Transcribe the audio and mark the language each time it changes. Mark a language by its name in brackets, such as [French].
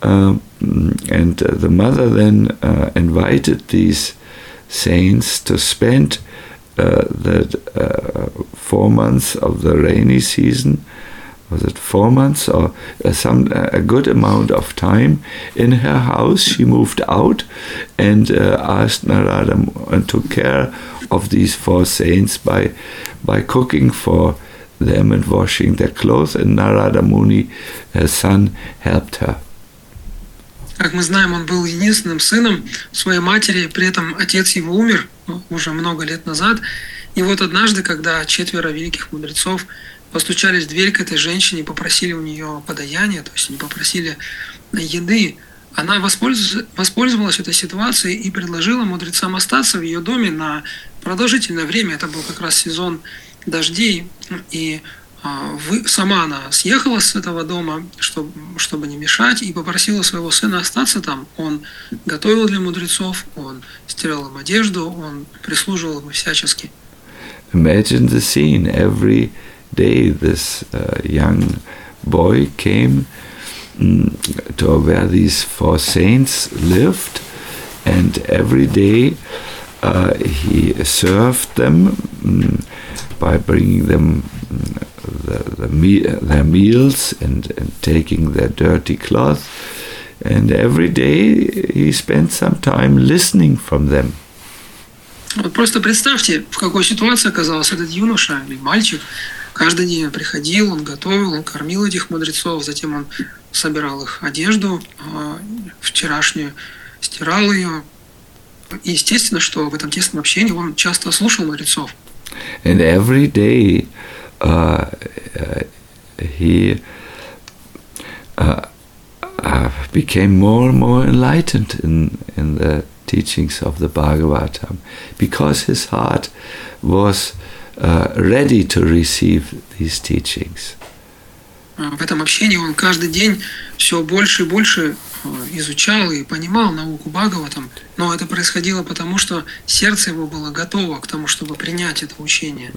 [English] And the mother then invited these saints to spend the 4 months of the rainy season, was it 4 months or a good amount of time in her house. She moved out and asked Narada and took care of these four saints by cooking for them and washing their clothes, and Narada Muni, her son, helped her. [Russian] Как мы знаем, он был единственным сыном своей матери, при этом отец его умер уже много лет назад. И вот однажды, когда четверо великих мудрецов постучались в дверь к этой женщине и попросили у нее подаяния, то есть они попросили еды, она воспользовалась этой ситуацией и предложила мудрецам остаться в ее доме на продолжительное время. Это был как раз сезон дождей, и сама она съехала с этого дома, чтобы не мешать, и попросила своего сына остаться там. Он готовил для мудрецов, он стирал им одежду, он прислуживал им всячески. [English] Imagine the scene. Every day this young boy came to where these four saints lived, and every day he served them by bringing them their meals and taking their dirty cloth, and every day he spent some time listening from them. [Russian] Вот просто представьте, в какой ситуации оказался этот юноша или мальчик. Каждый день он приходил, он готовил, он кормил этих мудрецов, затем он собирал их одежду вчерашнюю, стирал ее. И естественно, что в этом тесном общении он часто слушал мудрецов. [English] And every day he became more and more enlightened in the teachings of the Bhagavatam, because his heart was ready to receive these teachings. [Russian] В этом общении он каждый день все больше и больше изучал и понимал науку Бхагаватам, но это происходило потому, что сердце его было готово к тому, чтобы принять это учение.